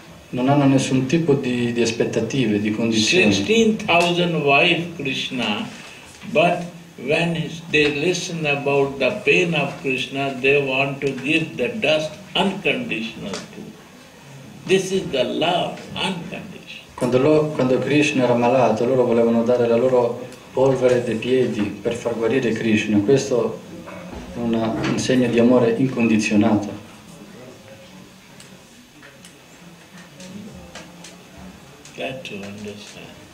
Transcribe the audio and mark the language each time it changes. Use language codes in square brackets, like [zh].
[it] Non hanno nessun tipo di aspettative, di condizioni. [en] 16,000 wife Krishna, but when they listen about the pain of Krishna, they want to give the dust unconditional to. This is the love, unconditional. [it] Quando Krishna era malato, loro volevano dare la loro polvere dei piedi per far guarire Krishna. Questo è un segno di amore incondizionato. [en] To understand.